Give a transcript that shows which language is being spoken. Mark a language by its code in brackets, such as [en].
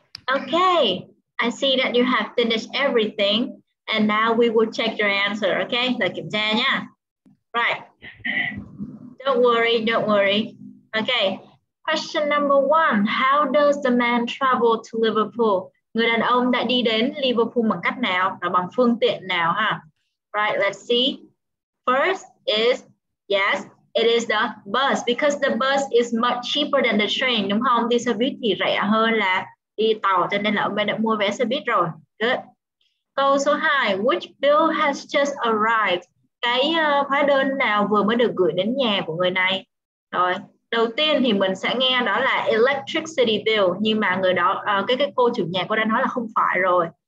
[en] Okay, I see that you have finished everything, and now we will check your answer, okay? Like Dania. Right. Don't worry. Okay. Question number one, how does the man travel to Liverpool? [vi] Người đàn ông đã đi đến Liverpool bằng cách nào? Là bằng phương tiện nào ha? [en] Right, let's see. First is, yes, it is the bus. Because the bus is much cheaper than the train, [vi] đúng không? Đi xe buýt thì rẻ hơn là đi tàu, cho nên là ông ấy đã mua vé xe buýt rồi. Good. Câu số 2, [en] which bill has just arrived? [vi] Cái hóa đơn nào vừa mới được gửi đến nhà của người này? Rồi. Đầu tiên thì mình sẽ nghe đó là electricity bill, nhưng mà người đó cái cô chủ nhà cô đã nói là không phải rồi.